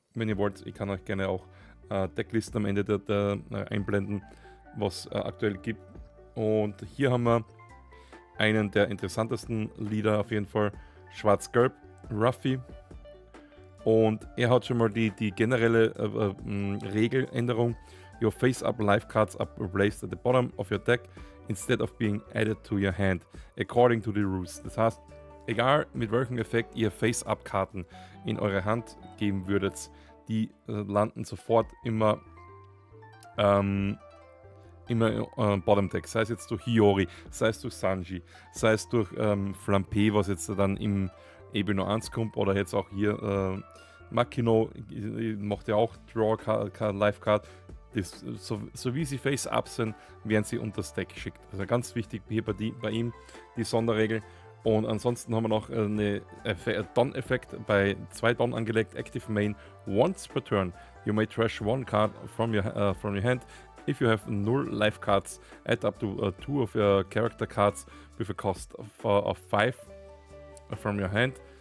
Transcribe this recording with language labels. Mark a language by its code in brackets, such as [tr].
[de] Wenn ihr wollt, ich kann euch gerne auch Decklisten am Ende der einblenden, was aktuell gibt. Und hier haben wir einen der interessantesten Leader auf jeden Fall, Schwarz-Gelb, Ruffy. Und er hat schon mal die generelle Regeländerung. [en] Your face-up life cards are placed at the bottom of your deck instead of being added to your hand, according to the rules. [de] Das heißt, egal mit welchem Effekt ihr Face-up-Karten in eure Hand geben würdet, die landen sofort immer im Bottom-Deck. Sei es jetzt durch Hiyori, sei es durch Sanji, sei es durch Flampe, was jetzt dann im Ebene 1 kommt, oder jetzt auch hier Makino, macht ja auch Draw-Life-Card. Ist, so wie sie face up sind, werden sie unter das Deck geschickt. Also ganz wichtig hier bei ihm die Sonderregel. Und ansonsten haben wir noch einen Don-Effekt bei zwei Don angelegt. [en] Active Main, once per turn, you may trash one card from your hand. If you have null life cards, add up to two of your character cards with a cost of five from your hand.